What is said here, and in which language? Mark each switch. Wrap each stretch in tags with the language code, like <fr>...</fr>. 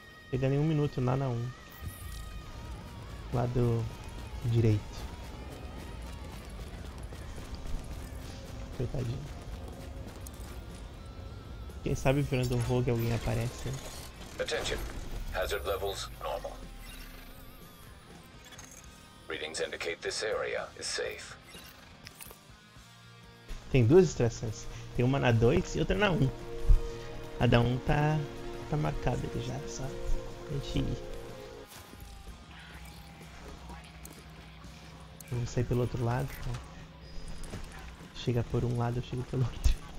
<pt>Pegar em um minuto lá na 1. Lado direito. Coitadinho. Quem sabe virando um rogue alguém aparece.</pt> <en>Attention. Hazard levels normal. Readings indicate this area is safe.</en> <pt>Tem duas extrações, tem uma na 2 e outra na 1. A da 1 tá marcada ali já, só a gente ir. Vamos sair pelo outro lado, tá? Chega por um lado, eu chego pelo outro.</pt>